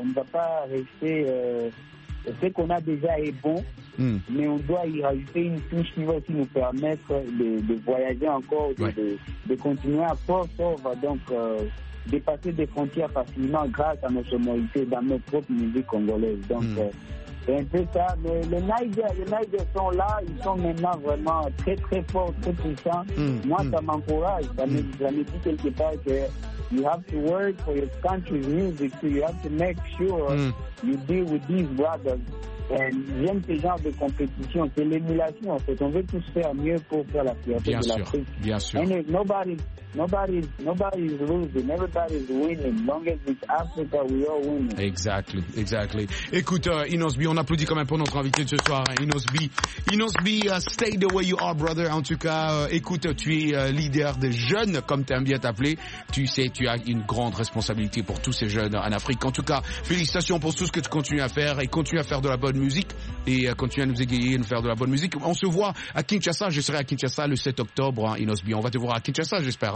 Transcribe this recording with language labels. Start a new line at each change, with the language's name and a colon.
French: On ne va pas rester. Ce qu'on a déjà est bon, mais on doit y rajouter une touche qui va aussi nous permettre de voyager encore, de continuer à fort, donc dépasser des frontières facilement grâce à nos sonorités dans nos propres musiques congolaises. Donc, c'est un peu ça. Mais les Niger sont là, ils sont maintenant vraiment très, très forts, très puissants. Moi, ça m'encourage. Ça me dit quelque part que
English: you have to work for your country's music, so you have to make sure you deal with these brothers.
French: Et j'aime ce genre de compétition, c'est l'émulation en fait. On veut tous faire mieux pour faire la fierté bien de sûr, l'Afrique. Bien sûr.
English: And nobody's losing, everybody's winning. Long as it's Africa, we all win. Exactly.
French: Écoute, Inos B, on applaudit quand même pour notre invité de ce soir, Inos B.
English: Inos B, stay the way you are, brother.
French: En tout cas, écoute, tu es leader des jeunes, comme tu aimes bien t'appeler. Tu sais, tu as une grande responsabilité pour tous ces jeunes en Afrique. En tout cas, félicitations pour tout ce que tu continues à faire et continue à faire de la bonne musique et continue à nous égayer et nous faire de la bonne musique. On se voit à Kinshasa. Je serai à Kinshasa le 7 octobre, hein, Inos B. On va te voir à Kinshasa, j'espère.